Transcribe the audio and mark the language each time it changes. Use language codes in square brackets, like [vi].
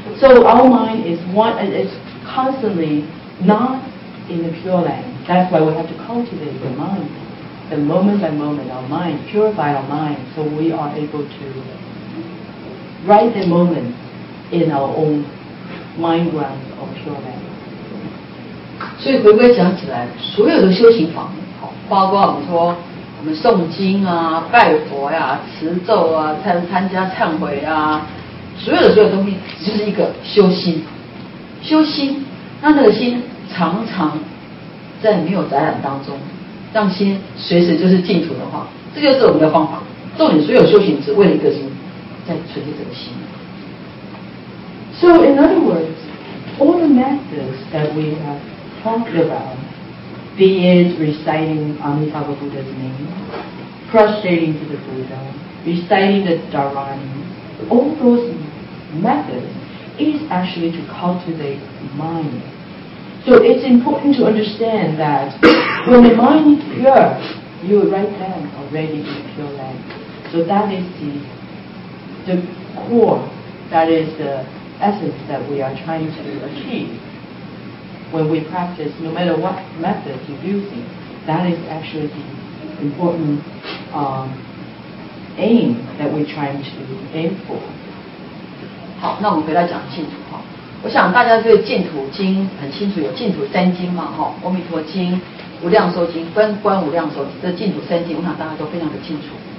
[en] So our mind is one, and it's constantly not in the pure land. That's why we have to cultivate the mind. The moment by moment, our mind, purify our mind, so we are able to write the moment in our own mind realm of pure land. [zh] 所以回归讲起来，所有的修行法门，好，包括我们说我们诵经啊、拜佛呀、持咒啊、参加忏悔啊，所有的东西，就是一个修心。修心，那那个心常常在没有杂染当中，让心随时就是净土的话，这就是我们的方法。重点，所有修行只为了一个心，在纯净这个心。 [en] So in other words, all the methods that we have talked about, be it reciting Amitabha Buddha's name, prostrating to the Buddha, reciting the Dharani, all those methods is actually to cultivate mind. So it's important to understand that when the mind is pure, you're right then already in pure land. So that is the core, that is the essence that we are trying to achieve. When we practice, no matter what method you're using, that is actually the important aim that we're trying to aim for. [zh] 好，那我们回来讲净土哈。我想大家对净土经很清楚，有净土三经嘛哈，阿弥陀经、无量寿经、观无量寿经，这净土三经，我想大家都非常的清楚。